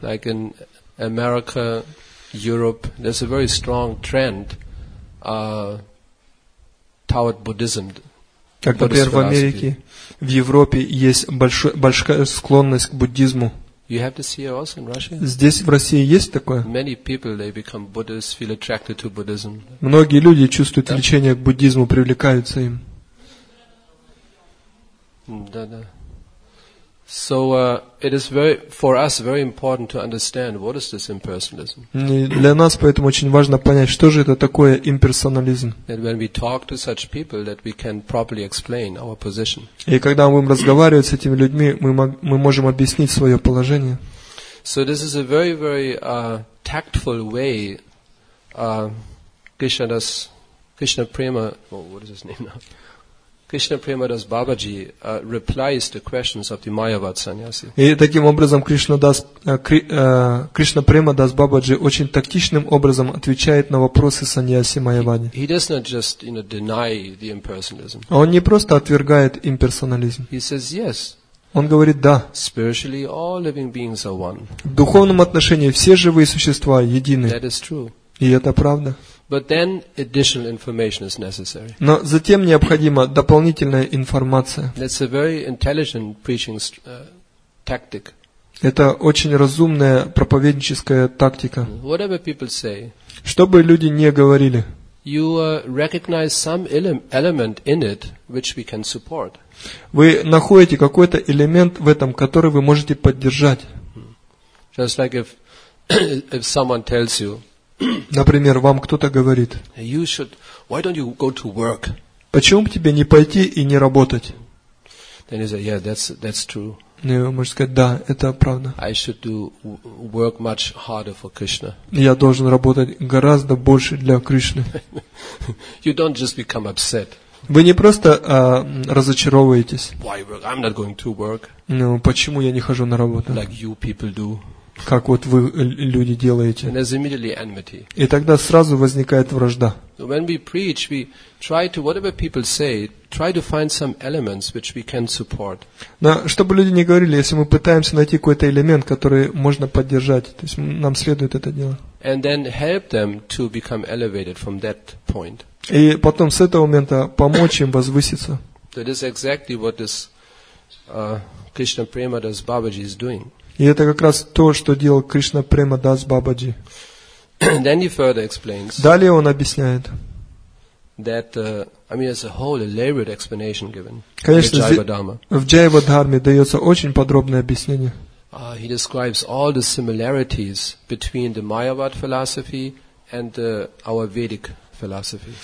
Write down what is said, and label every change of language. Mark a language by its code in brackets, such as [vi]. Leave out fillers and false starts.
[en] Like in America, Europe, there's a very strong trend, toward Buddhism. [ru] Как, например, в Америке, в Европе есть большая склонность к буддизму. [en] You have this here also in Russia? [ru] Здесь, в России, есть такое? [en] Many people, they become Buddhists, feel attracted to Buddhism. [ru] Многие люди чувствуют влечение к буддизму, привлекаются им. Да-да. [en] So it is very for us very important to understand what is this impersonalism. [ru] Для нас поэтому очень важно понять, что же это такое имперсонализм. [en] And when we talk to such people, that we can properly explain our position. [ru] И когда мы будем разговаривать с этими людьми, мы можем объяснить свое положение. [en] So this is a very very tactful way. Krishna Prema, oh, what is his name now? Krishna Premadas Babaji replies to questions of the Mayavad Sannyasi. [ru] И таким образом Кришна Премадас Бабаджи очень тактичным образом отвечает на вопросы Саньяси Майявади. [en] He does not just, you know, deny the impersonalism. [ru] Он не просто отвергает имперсонализм. [en] He says yes. [ru] Он говорит да. [en] Spiritually, all living beings are one. [ru] В духовном отношении все живые существа едины. [en] That is true. [ru] И это правда. [en] But then additional information is necessary. [ru] Но затем необходима дополнительная информация. [en] That's a very intelligent preaching tactic. [ru] Это очень разумная проповедническая тактика. [en] Whatever people say, [ru] что бы люди ни говорили, [en] you recognize some element in it which we can support. [ru] Вы находите какой-то элемент в этом, который вы можете поддержать. [en] Just like if someone tells you, [ru] например, вам кто-то говорит, [en] you should, why don't you go to work? [ru] Почему бы тебе не пойти и не работать? [en] Then you say, yeah, that's true. [ru] Ну, можно сказать, да, это правда. [en] I should do work much harder for Krishna. [ru] Я должен работать гораздо больше для Кришны. [en] You don't just become upset. [ru] Вы не просто разочаровываетесь. [en] Why work? I'm not going to work. [ru] Ну, почему я не хожу на работу? [en] Like you people do. [ru] Как вот вы, люди, делаете. [en] And there's immediately enmity. [ru] И тогда сразу возникает вражда. [en] When we preach, we try to, whatever people say, try to find some elements which we can support. [ru] Но чтобы люди не говорили, если мы пытаемся найти какой-то элемент, который можно поддержать, то есть нам следует это делать. [en] And then help them to become elevated from that point. [ru] И потом с этого момента помочь им возвыситься. [en] That is exactly what this Krishna Premadas Babaji is doing. [ru] И это как раз то, что делал Кришна Премадас Бабаджи. [en] Then he further explains. [ru] Далее он объясняет. [en] That, there's a whole elaborate explanation given. [ru] Конечно, [en] in Jayavadharma. [ru] В Джайвадхарме дается очень подробное объяснение. [en] He describes all the similarities between the Mayavad philosophy and our Vedic philosophy.